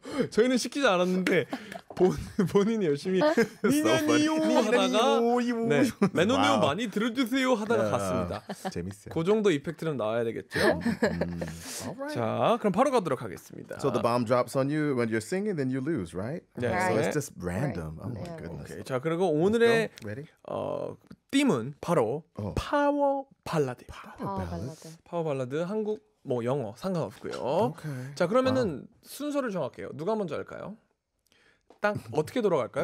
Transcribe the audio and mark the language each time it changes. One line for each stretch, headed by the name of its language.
Korean: 저희는 시키지 않았는데 본인이 열심히 니나뇨 하다가 매너네어 많이 들어주세요 하다가 갔습니다. 재밌어요. 그 정도 이펙트는 나와야 되겠죠? 자 그럼 바로 가도록 하겠습니다.
English: So the bomb drops on you when you're singing and then you lose, right? Yeah. So it's just random. Right. Oh my yeah. goodness. Okay.
Korean: 자, 그리고 오늘의 팀은 바로 파워 발라드. 파워 발라드. 한국 뭐 영어 상관없고요.
English: Okay.
Korean: 자, 그러면은 wow. 순서를 정할게요. 누가 먼저 할까요? 딱 어떻게 돌아갈까요?